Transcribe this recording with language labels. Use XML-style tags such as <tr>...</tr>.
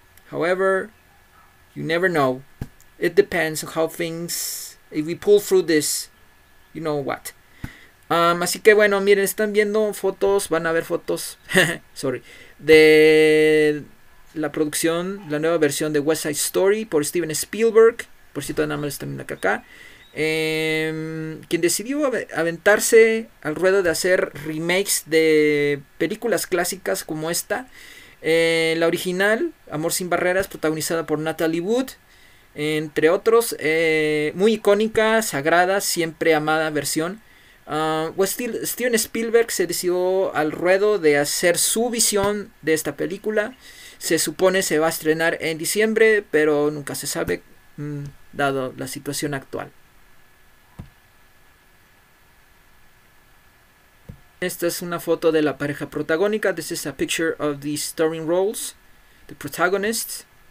<en>However, you never know. It depends on how things, if we pull through this, you know what.</en> <es>Así que bueno, miren, están viendo fotos, van a ver fotos, sorry, de la producción, la nueva versión de West Side Story por Steven Spielberg, por cierto, nada más están viendo acá. Quien decidió aventarse al ruedo de hacer remakes de películas clásicas como esta, la original, Amor sin Barreras, protagonizada por Natalie Wood, entre otros, muy icónica, sagrada, siempre amada versión. Steven Spielberg se decidió al ruedo de hacer su visión de esta película. Se supone se va a estrenar en diciembre, pero nunca se sabe, dado la situación actual. Esta es una foto de la pareja protagónica.</es> <en>This is a picture of the starring roles, the protagonists.</en>